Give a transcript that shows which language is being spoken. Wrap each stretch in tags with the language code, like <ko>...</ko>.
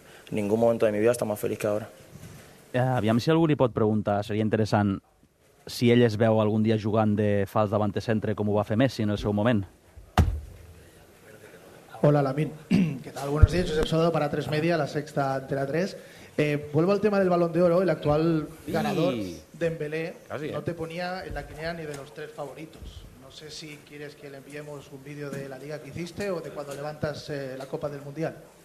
<es>Ningún momento de mi vida está más feliz que ahora.</es> <ca>Aviam si algú li pot preguntar, seria interessant, si ell es veu algun dia jugant de fals davant de centre com ho va fer Messi en el seu moment.</ca> <es>Hola, Lamin. ¿Qué tal? Buenos días, Josep Sodo para 3 Media, La Sexta, Antena 3. Vuelvo al tema del Balón de Oro. El actual ganador, Dembélé, no te ponía en la quiniela ni de los 3 favoritos. No sé si quieres que le enviemos un vídeo de la liga que hiciste o de cuando levantas la Copa del Mundial.</es>